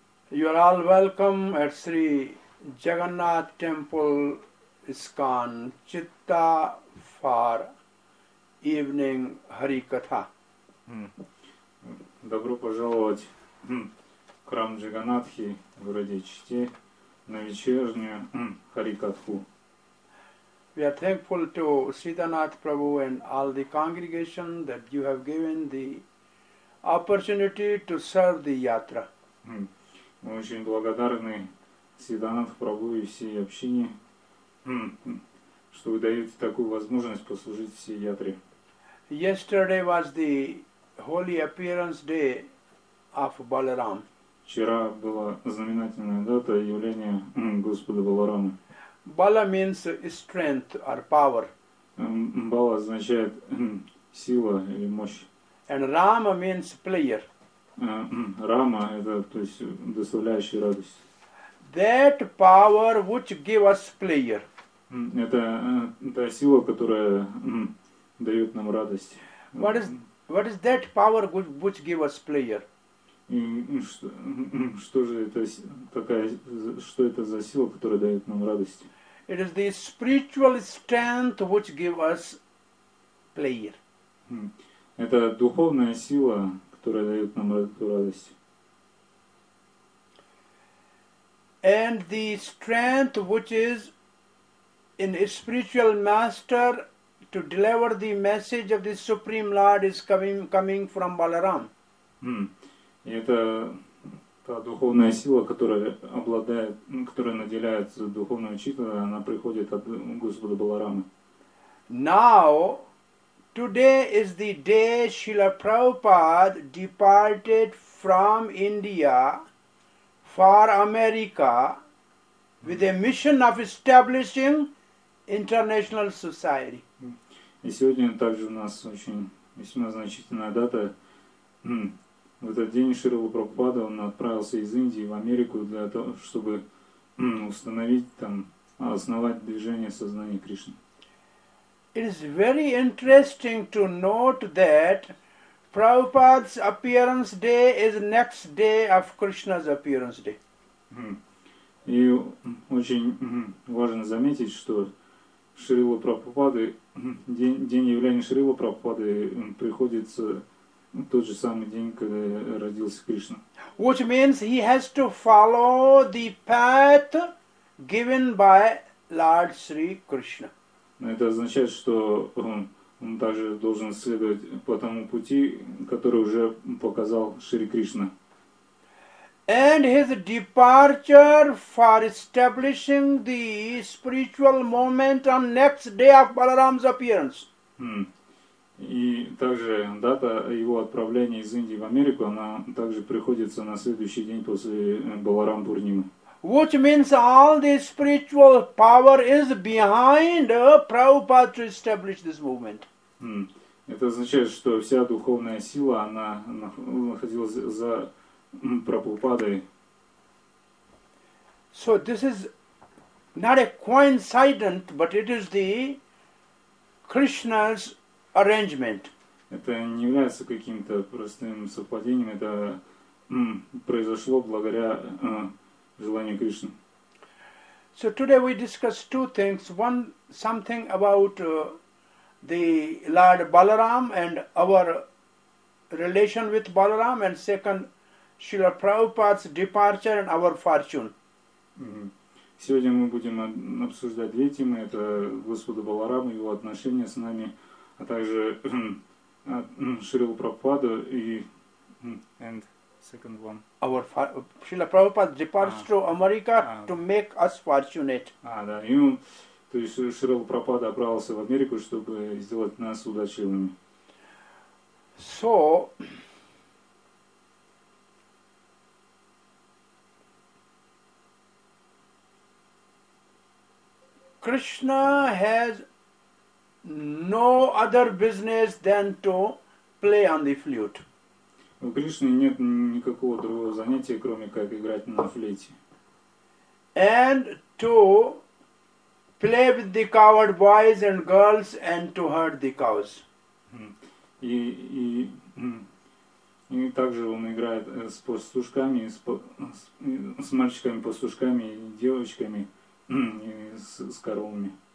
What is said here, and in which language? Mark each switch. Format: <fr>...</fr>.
<en>You are all welcome at Sri Jagannath Temple ISKCON Chitta for evening Harikatha.</en> <ru>Добро пожаловать в храм Джаганатхи в городе Чите на вечернюю Харикатху.</ru> <en>We are thankful to Sridhanath Prabhu and all the congregation that you have given the opportunity to serve the Yatra.</en> <ru>Мы очень благодарны Сиданатх Прабху и всей общине, что вы даете такую возможность послужить всей ятре.</ru> <en>Yesterday was the holy appearance day of Balaram.</en> <ru>Вчера была знаменательная дата явления Господа Баларама.</ru> <en>Bala means strength or power.</en> <ru>Bala означает сила или мощь.</ru> <en>And Rama means player.</en> <ru>Рама это то есть доставляющий радость.</ru> <en>That power which give us pleasure.</en> <ru>Это та сила, которая дает нам радость.</ru> <en>What is that power which give us pleasure?</en> <ru>И что же это такая, что это за сила, которая дает нам радость?</ru> <en>It is the spiritual strength which give us pleasure.</en> <ru>Это духовная сила, которая дает нам эту радость.</ru> <en>And the strength which is in a spiritual master to deliver the message of the Supreme Lord is coming from Balaram.</en> <ru>Это та духовная сила, которая обладает, которая наделяет духовную чистоту, она приходит от Господа Баларамы.</ru> <en>Now, today is the day Srila Prabhupada departed from India for America with a mission of establishing international society.</en> <ru>И сегодня также у нас очень весьма значительная дата. В этот день Шрила Прабхупада он отправился из Индии в Америку для того, чтобы установить там, основать движение сознания Кришны.</ru> <en>It is very interesting to note that Prabhupada's appearance day is next day of Krishna's appearance day.</en> <ru>И очень важно заметить, что Шрила Прабхупады, день явления Шрила Прабхупады приходится тот же самый день, когда родился Кришна.</ru> <en>Which means he has to follow the path given by Lord Sri Krishna.</en> <ru>Это означает, что он также должен следовать по тому пути, который уже показал Шри Кришна.</ru> <en>And his departure for establishing the spiritual moment on next day of Balaram's appearance.</en> <ru>И также дата его отправления из Индии в Америку, она также приходится на следующий день после Баларам Пурнимы.</ru> <en>Which means all the spiritual power is behind Prabhupada to establish this movement.</en> <ru>Это означает, что вся духовная сила, она находилась за Прабхупадой.</ru> <en>So this is not a coincidence, but it is the Krishna's arrangement.</en> <ru>Это не является каким-то простым совпадением, это произошло благодаря желанию Кришны.</ru> <en>So today we discuss two things. One, something about the Lord Balaram and our relation with Balaram, and second, Srila Prabhupada's departure and our fortune.</en> <ru>Сегодня мы будем обсуждать две темы. Это Господа Баларама, его отношения с нами, а также Шрила Прабхупада и...</ru> <en>And second one. Our Srila Prabhupada's departure to America to make us fortunate.</en> <ru>Да. То есть Шрила Прабхупада отправился в Америку, чтобы сделать нас удачливыми.</ru> <en>So, Krishna has no other business than to play on the flute.</en> <ru>У Кришны нет никакого другого занятия, кроме как играть на флейте.</ru> <en>And to play with the coward boys and girls and to herd the cows.</en> <ru>И также он играет с пастушками, с мальчиками-пастушками и девочками, с коровами.</ru>